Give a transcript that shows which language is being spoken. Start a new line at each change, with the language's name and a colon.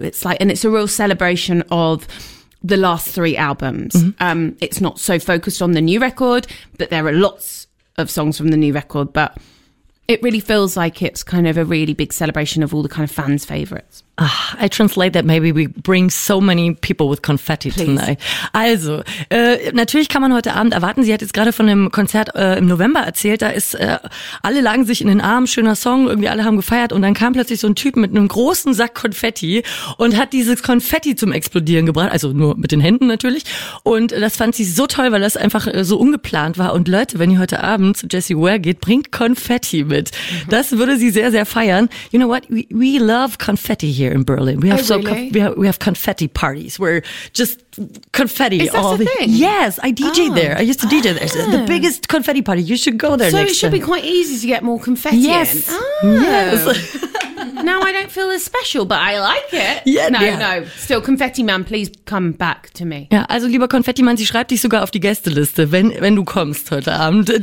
English: It's like, and it's a real celebration of the last three albums. Mm-hmm. It's not so focused on the new record, but there are lots of songs from the new record, but it really feels like it's kind of a really big celebration of all the kind of fans' favorites. I translate that, maybe we bring so many people with confetti tonight.
German: Also, natürlich kann man heute Abend erwarten, sie hat jetzt gerade von einem Konzert im November erzählt, da ist alle lagen sich in den Arm, schöner Song, irgendwie alle haben gefeiert und dann kam plötzlich so ein Typ mit einem großen Sack Konfetti und hat dieses Konfetti zum Explodieren gebracht, also nur mit den Händen natürlich, und das fand sie so toll, weil das einfach so ungeplant war. Und Leute, wenn ihr heute Abend zu Jessie Ware geht, bringt Konfetti mit. Das würde sie sehr, sehr feiern.
English: You know what, we love Konfetti here in Berlin. We have confetti parties where just confetti. Is that all the thing? Yes, I DJ there. I used to DJ there. Yeah. The biggest confetti party. You should go there so next time. So it should Be quite easy to get more confetti. Yes. In. Yes. Now I don't feel as special, but I like it. Yeah, No. Still, Confetti Man, please come back to me.
German: Ja, also lieber Confetti Man, sie schreibt dich sogar auf die Gästeliste, wenn du kommst heute Abend.